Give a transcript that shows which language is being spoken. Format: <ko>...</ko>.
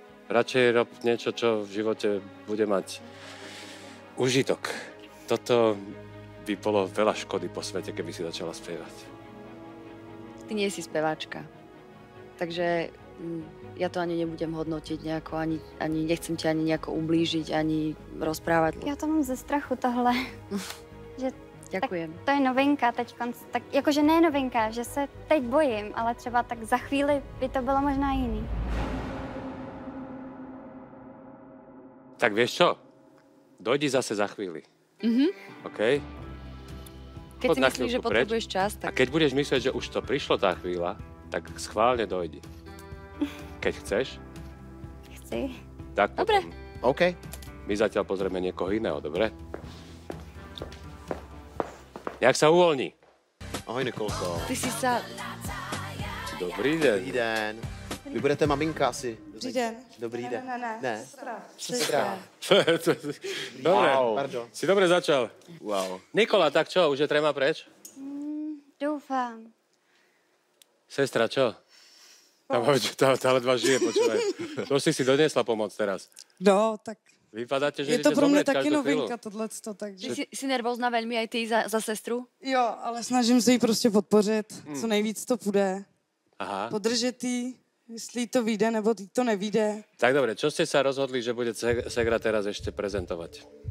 <sk>Radšej rob niečo, čo v živote bude mať užitok. Toto by bolo veľa škody po svete, keby si začala spievať. Ty nie si speváčka. Takže... Ja to ani nebudem hodnotiť nejako, ani nechcem ťa ani nejako ublížiť, ani rozprávať.</sk> <cs>Ja to mám ze strachu tohle.</cs> <sk>Že, ďakujem.</sk> <cs>Tak, to je novinka teďkon, tak akože ne novinka, že sa teď bojím, ale třeba tak za chvíli by to bolo možná iný.</cs> <sk>Tak vieš čo? Dojdi zase za chvíli. Mhm. OK? Keď si myslíš, že potrebuješ čas, tak... A keď budeš myslieť, že už to prišlo tá chvíľa, tak schválne dojdi. Keď chceš?</sk> <cs>Chci.</cs> <sk>Tak dobre. OK. My zatiaľ pozrieme niekoho iného, dobre? Nech sa uvoľní. Ahoj, Nikolko. Ty si sa... Dobrý deň. Dobrý deň. Vy budete maminka asi. Dobrý deň. Dobrý deň.</sk> <cs>Ne. Sestra.</cs> <sk>Dobre. Wow. Pardon. Si dobre začal. Wow. Nikola, tak čo? Už je trema preč? Dúfam. Sestra, čo? Tá ledva žije, počúvaj. To už si doniesla pomoc teraz. No, tak...</sk> <cs>Vypadáte, že je to pro mňa taky novinka, tohleto, takže...</cs> <sk>Ty si nervózna veľmi aj ty za sestru?</sk> <cs>Jo, ale snažím sa jí proste podpořit, co nejvíc to půjde.</cs> <sk>Aha.</sk> <cs>Podržet jí, jestli to vyjde, nebo jí to nevyjde.</cs> <sk>Tak dobre, čo ste sa rozhodli, že bude Segra teraz ešte prezentovať?</sk>